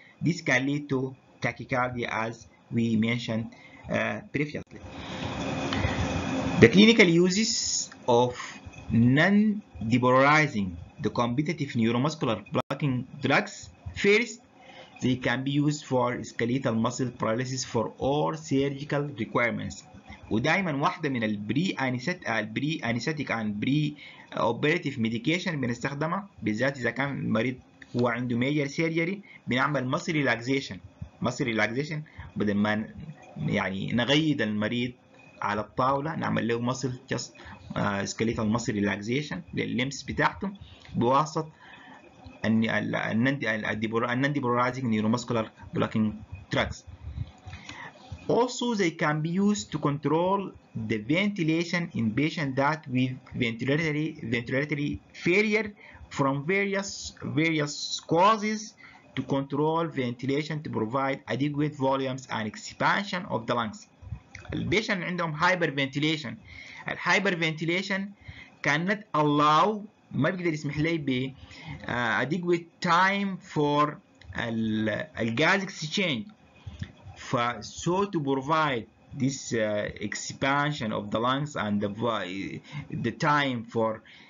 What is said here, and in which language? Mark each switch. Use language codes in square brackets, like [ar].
[en] This can lead to tachycardia as we mentioned previously. The clinical uses of non-depolarizing the competitive neuromuscular blocking drugs. First, they can be used for skeletal muscle paralysis for all surgical requirements. [ar] ودائما واحدة من البري أنيستيك and بري operative medication بنستخدمها، بالذات إذا كان المريض هو عنده major surgery بنعمل muscle relaxation. Muscle relaxation بدل ما يعني نغيد المريض على الطاولة نعمل له muscle just skeletal muscle relaxation للليمس بتاعته بواسطة non-depolarizing neuromuscular blocking drugs. [en] Also, they can be used to control the ventilation in patients that with ventilatory failure from various causes to control ventilation to provide adequate volumes and expansion of the lungs. [ar] البيشن عندهم hyperventilation. [en] Hyperventilation cannot allow [ar] ما بيقدر يسمح لي ب [en] adequate time for الغاز exchange. So to provide this expansion of the lungs and the time for